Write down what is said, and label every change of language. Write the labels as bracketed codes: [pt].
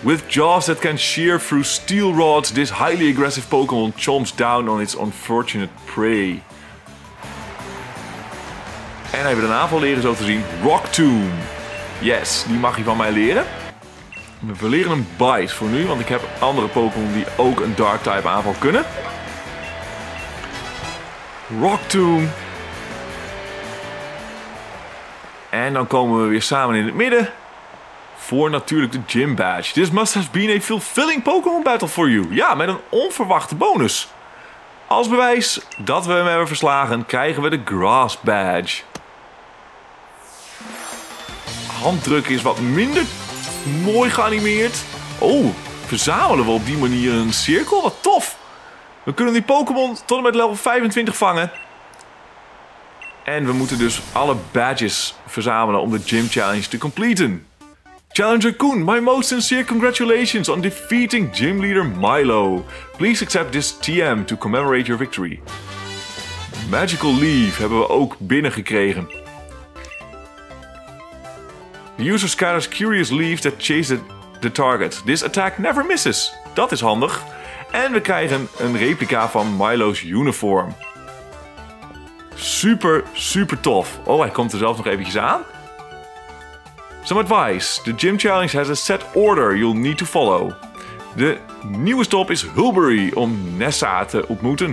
[en] With jaws that can shear through steel rods, this highly aggressive Pokémon chomps down on its unfortunate prey. [nl] En hij wil een aanval leren, zo te zien. Rock Tomb. Yes, die mag hij van mij leren. We verleren een Bite voor nu, want ik heb andere Pokémon die ook een Dark-type aanval kunnen. [en] Rock Tomb. [nl] En dan komen we weer samen in het midden. Voor natuurlijk de Gym Badge. [en] This must have been a fulfilling Pokémon battle for you. [nl] Ja, met een onverwachte bonus. Als bewijs dat we hem hebben verslagen, krijgen we de Grass Badge. Handdrukken is wat minder mooi geanimeerd. Oh, verzamelen we op die manier een cirkel? Wat tof! We kunnen die Pokémon tot en met level 25 vangen. En we moeten dus alle badges verzamelen om de Gym Challenge te completen. [en] Challenger Koen, my most sincere congratulations on defeating Gym Leader Milo. Please accept this TM to commemorate your victory. [nl] Magical Leaf hebben we ook binnengekregen. [en] The user scatters curious leaves that chase the target. This attack never misses. [nl] Dat is handig. En we krijgen een replica van Milo's uniform. Super, super tof. Oh, hij komt er zelfs nog eventjes aan. [en] Some advice. The gym challenge has a set order you'll need to follow. [nl] De nieuwe stop is Hulbury om Nessa te ontmoeten.